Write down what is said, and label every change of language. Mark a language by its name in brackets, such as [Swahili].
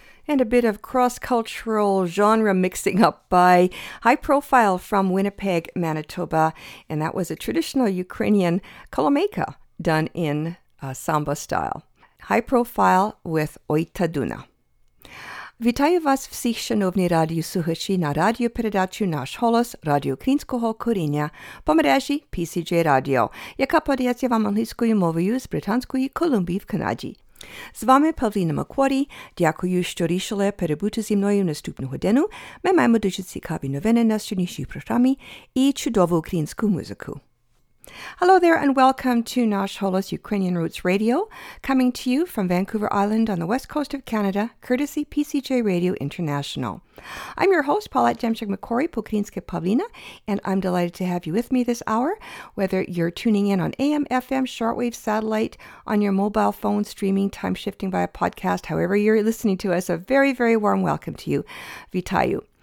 [English] and a bit of cross-cultural genre mixing up by High Profile from Winnipeg, Manitoba. And that was a traditional Ukrainian kolomeika done in samba style. High Profile with Oitaduna. [Ukrainian] Вітаю вас всіх, шановні радіослухачі, на радіопередачу «Наш голос» Радіо Українського коріння по мережі PCJ Radio, яка подається вам англійською мовою з Британської Колумбії в Канаді. З вами Павліна Макворі. Дякую, що рішили перебути зі мною наступну годину. Ми маємо дуже цікаві новини на сьогоднішній програмі і чудову українську музику. [English] Hello there and welcome to Nash Holos Ukrainian Roots Radio, coming to you from Vancouver Island on the west coast of Canada, courtesy PCJ Radio International. I'm your host, Paulette Demchuk-McCory, Pokrinska Pavlina, and I'm delighted to have you with me this hour, whether you're tuning in on AM, FM, shortwave, satellite, on your mobile phone, streaming, time-shifting via podcast, however you're listening to us, a very, very warm welcome to you. Vitayu.